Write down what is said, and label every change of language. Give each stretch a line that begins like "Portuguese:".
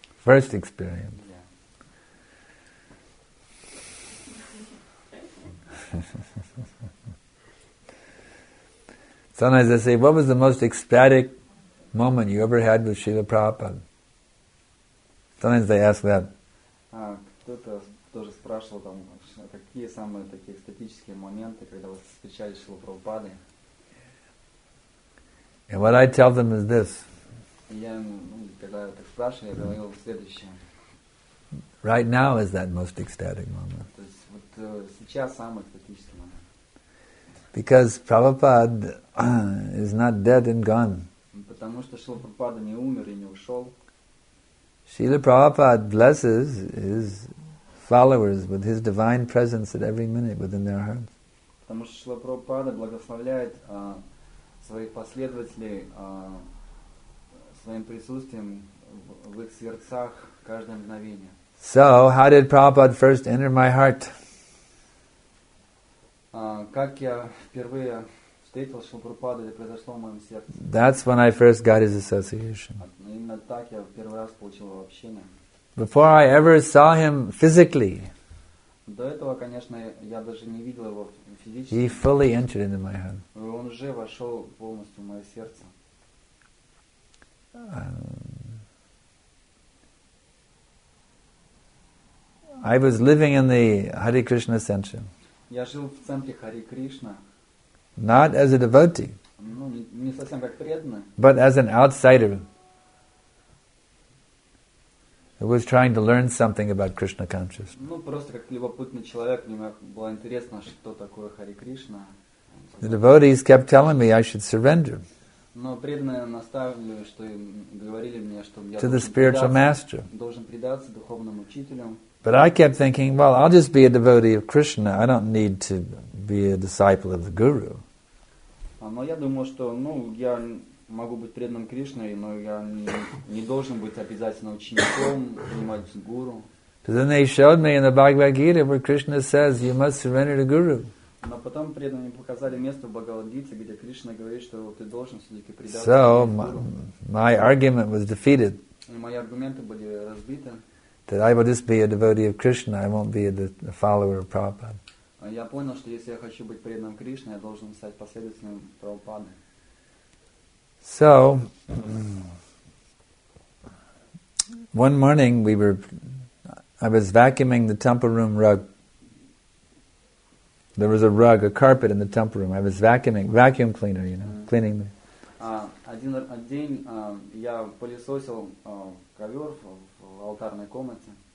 English: First experience? Yeah. Sometimes they say, what was the most ecstatic moment you ever had with Srila Prabhupada? Sometimes they ask that.
Russian: Кто-то тоже спрашивал там, какие самые такие эстетические моменты, когда вы встречались с Шрилой Прабхупадой.
English: And what I tell them is this.
Russian: Я, когда так спрашиваю, я говорю следующее.
English: Right now is that most ecstatic moment.
Russian: То есть вот сейчас самый критический момент.
English: Because Prabhupada is not dead and gone.
Russian: Потому что Шрила Прабхупада не умер и не ушел.
English: Шрила Прабхупада blesses his followers with his divine presence at every minute within their hearts.
Russian: Потому что Шрила Прабхупада благословляет своих последователей своим присутствием в их сердцах каждое мгновение.
English: So, how did Prabhupada first enter my heart?
Russian: Как я впервые встретил Шрилу Прабхупаду, это произошло в моем сердце.
English: That's when I first got his association.
Russian: Именно так я первый раз получил его общение.
English: Before I ever saw him physically.
Russian: До этого, конечно, я даже не видел его физически.
English: He fully entered into my heart.
Russian: Он уже вошел полностью в мое сердце.
English: I was living in the Hare Krishna center.
Russian: Я жил в центре Хари Кришна.
English: Not as a devotee.
Russian: Ну, не совсем как преданный.
English: But as an outsider. Who was trying to learn something about Krishna consciousness.
Russian: Ну, просто как любопытный человек, мне было интересно, что такое Хари Кришна.
English: The devotees kept telling me I should surrender.
Russian: Но преданные наставили, что им говорили мне, что я
English: to the spiritual master.
Russian: Должен предаться духовным учителям.
English: But I kept thinking, well, I'll just be a devotee of Krishna. I don't need to be a disciple of the Guru.
Russian: Но я думал, что, ну, я могу быть преданным Кришной, но я не должен быть обязательно учеником, принимать гуру.
English: But then they showed me in the Bhagavad Gita where Krishna says you must surrender to Guru.
Russian: Но потом преданные показали место в Бхагавад Гите, где Кришна говорит, что ты должен все-таки предаться.
English: So my argument was defeated.
Russian: Мои аргументы были разбиты.
English: That I will just be a devotee of Krishna, I won't be a follower of Prabhupada.
Russian: Я понял, что если я хочу быть преданным Кришне, я должен стать последователем Прабхупады.
English: So, one morning I was vacuuming the temple room rug. There was a rug, a carpet in the temple room. I was vacuum cleaner, you know, cleaning the...
Russian: Один день я пылесосил ковер в алтарной комнате.